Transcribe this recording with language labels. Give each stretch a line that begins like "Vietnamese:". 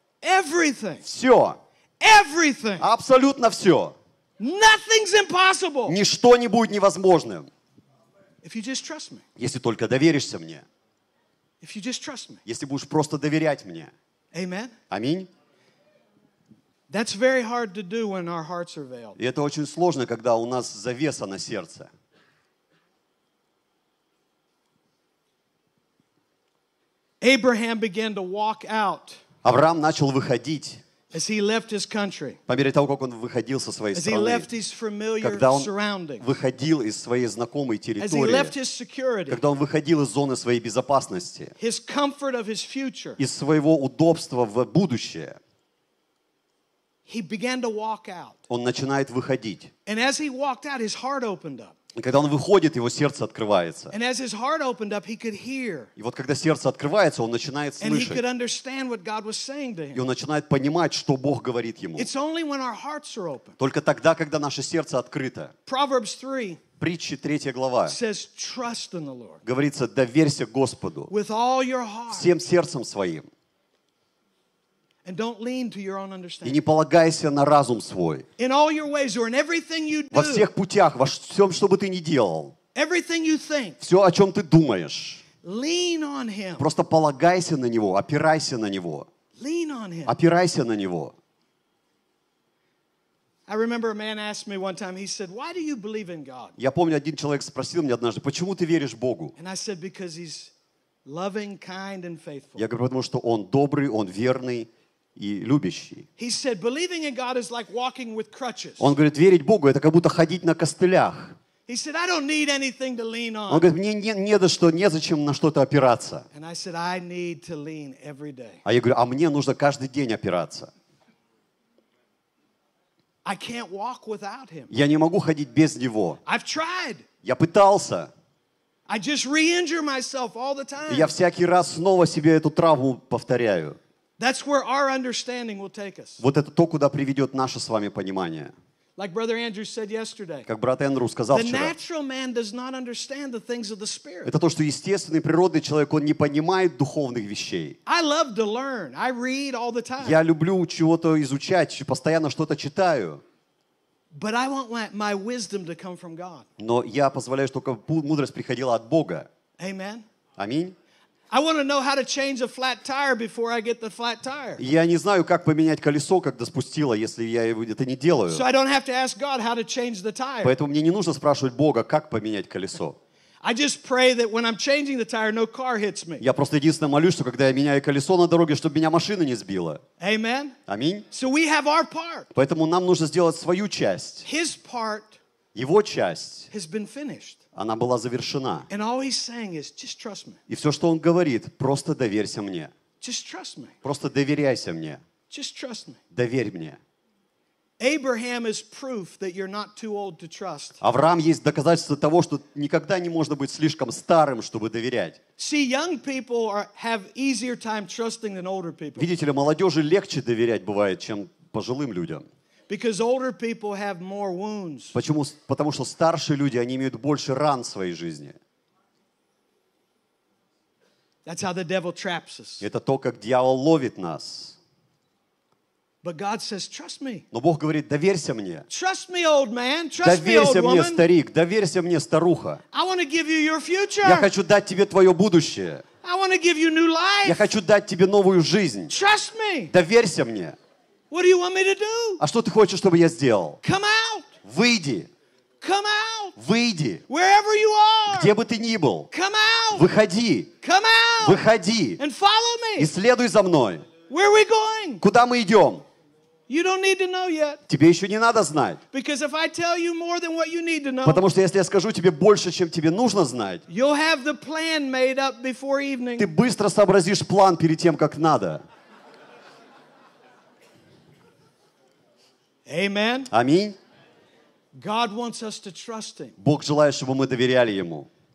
English: Everything.
Russian: Все.
English: Everything.
Russian: Абсолютно все.
English: Nothing's impossible.
Russian: Ничто не будет невозможным.
English: If you just trust me.
Russian: Если только доверишься мне.
English: If you just trust me.
Russian: Если будешь просто доверять мне.
English: Amen.
Russian: Аминь.
English: That's very hard to do when our hearts are veiled.
Russian: И это очень сложно, когда у нас завеса на сердце.
English: Abraham began to walk out.
Russian: Авраам начал выходить.
English: As he left his country.
Russian: По мере того, как он выходил со своей страны.
English: As he left his familiar surroundings.
Russian: Когда он выходил из своей знакомой территории.
English: As he left his security.
Russian: Когда он выходил из зоны своей безопасности.
English: His comfort of his future.
Russian: Из своего удобства в будущее.
English: He began to walk out.
Russian: Он начинает выходить.
English: And as he walked out, his heart opened up.
Russian: И когда он выходит, его сердце открывается.
English: And as his heart opened up, he could hear.
Russian: И вот когда сердце открывается, он начинает слышать.
English: And he could understand what God was saying to him.
Russian: И он начинает понимать, что Бог говорит ему.
English: It's only when our hearts are open.
Russian: Только тогда, когда наше сердце открыто.
English: Proverbs 3.
Russian: Притчи 3 глава.
English: Says, trust in the Lord.
Russian: Говорится, доверься Господу.
English: With all your heart.
Russian: Всем сердцем своим.
English: And don't lean to your own understanding.
Russian: И не полагайся на разум свой.
English: In all your ways or in everything you do.
Russian: Во всех путях, во всем, что бы ты ни делал.
English: Everything you think.
Russian: Все, о чем ты думаешь.
English: Lean on him.
Russian: Просто полагайся на него, опирайся на него.
English: Lean on him.
Russian: Опирайся на него.
English: I remember a man asked me one time. He said, "Why do you believe in God?"
Russian: Я помню, один человек спросил меня однажды, почему ты веришь Богу?
English: And I said, "Because he's loving, kind, and faithful."
Russian: Я говорю, потому что он добрый, он верный. И любящий.
English: He said, "Believing in God is like walking with crutches."
Russian: Он говорит, верить Богу это как будто ходить на костылях.
English: He said, "I don't need anything to lean on."
Russian: Он говорит, мне незачем на что-то опираться.
English: And I said, "I need to lean every day."
Russian: А я говорю, а мне нужно каждый день опираться.
English: I can't walk without him.
Russian: Я не могу ходить без него.
English: I've tried.
Russian: Я пытался.
English: I just re-injure myself all the time.
Russian: Я всякий раз снова себе эту травму повторяю.
English: That's where our understanding will take us.
Russian: Вот это то, куда приведет наше с вами понимание.
English: Like brother Andrew said yesterday.
Russian: Как брат Эндрю сказал вчера.
English: The natural man does not understand the things of the spirit.
Russian: Это то, что естественный природный человек он не понимает духовных вещей.
English: I love to learn. I read all the time.
Russian: Я люблю чего-то изучать, постоянно что-то читаю.
English: But I want my wisdom to come from God.
Russian: Но я позволяю, чтобы мудрость приходила от Бога.
English: Amen.
Russian: Аминь.
English: I want to know how to change a flat tire before I get the flat tire.
Russian: Я не знаю, как поменять колесо, когда спустило, если я это не делаю.
English: So I don't have to ask God how to change the tire.
Russian: Поэтому мне не нужно спрашивать Бога, как поменять колесо.
English: I just pray that when I'm changing the tire, no car hits me.
Russian: Я просто единственное молюсь, что когда я меняю колесо на дороге, чтобы меня машина не сбила.
English: Amen.
Russian: Аминь.
English: So we have our part.
Russian: Поэтому нам нужно сделать свою часть.
English: His part.
Russian: Его часть,
English: has been finished.
Russian: Она была завершена.
English: And all he's saying is, just trust me.
Russian: И все, что он говорит, просто доверься мне.
English: Just trust me.
Russian: Просто доверяйся мне.
English: Just trust me.
Russian: Доверь мне.
English: Abraham is proof that you're not too old to trust.
Russian: Авраам есть доказательство того, что никогда не можно быть слишком старым, чтобы доверять.
English: See, young people have easier time trusting than older people.
Russian: Видите ли, молодежи легче доверять бывает, чем пожилым людям.
English: Because older people have more wounds.
Russian: Почему? Потому что старшие люди, они имеют больше ран в своей жизни.
English: That's how the devil traps us.
Russian: Это то, как дьявол ловит нас.
English: But God says, trust me.
Russian: Но Бог говорит, доверься мне.
English: Trust me, old man. Trust
Russian: доверься
English: me, old
Russian: мне,
English: woman.
Russian: Старик. Доверься мне, старуха.
English: I want to give you your future.
Russian: Я хочу дать тебе твое будущее.
English: I want to give you new life.
Russian: Я хочу дать тебе новую жизнь.
English: Trust me.
Russian: Доверься мне.
English: What do you want me to do?
Russian: А что ты хочешь, чтобы я сделал?
English: Come out.
Russian: Выйди.
English: Come out.
Russian: Выйди.
English: Wherever you are.
Russian: Где бы ты ни был.
English: Come out.
Russian: Выходи.
English: Come out.
Russian: Выходи.
English: And follow me.
Russian: И следуй за мной.
English: Where are we going?
Russian: Куда мы идем?
English: You don't need to know yet.
Russian: Тебе еще не надо знать.
English: Because if I tell you more than what you need to know.
Russian: Потому что если я скажу тебе больше, чем тебе нужно знать.
English: You'll have the plan made up before evening.
Russian: Ты быстро сообразишь план перед тем, как надо.
English: Amen.
Russian: Аминь.
English: God wants us to trust Him.
Russian: Бог желает, чтобы мы доверяли Ему.